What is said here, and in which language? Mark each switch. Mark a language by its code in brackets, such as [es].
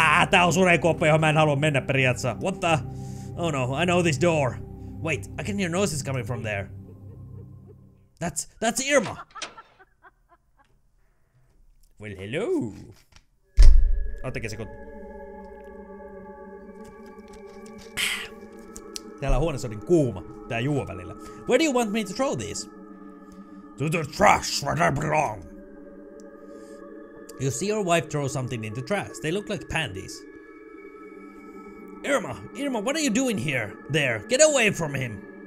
[fi] Tää on sudenkuoppa, johon mä en halua mennä periaatteessa. [en] What the... Oh no, I know this door. Wait, I can hear noises coming from there. That's Irma! Well, hello! [fi] Ottakin se kun... Täällä huoneessa on niin kuuma, tää juo välillä. [en] Where do you want me to throw this? To the trash, where I belong. You see your wife throw something in the trash. They look like panties. Irma, what are you doing here? There, get away from him.